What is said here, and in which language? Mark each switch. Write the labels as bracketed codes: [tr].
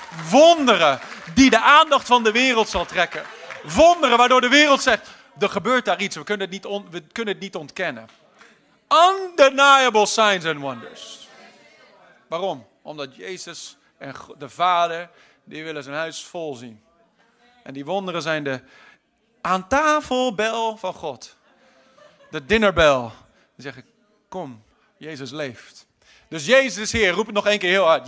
[nl] Wonderen die de aandacht van de wereld zal trekken. Wonderen waardoor de wereld zegt, er gebeurt daar iets, we kunnen het niet ontkennen. [en] Undeniable signs and wonders. [nl] Waarom? Omdat Jezus en de Vader, die willen zijn huis vol zien. En die wonderen zijn de aan tafelbel van God. De dinnerbel. Die zeggen, kom, Jezus leeft. Dus Jezus is Heer, roep het nog één keer heel hard.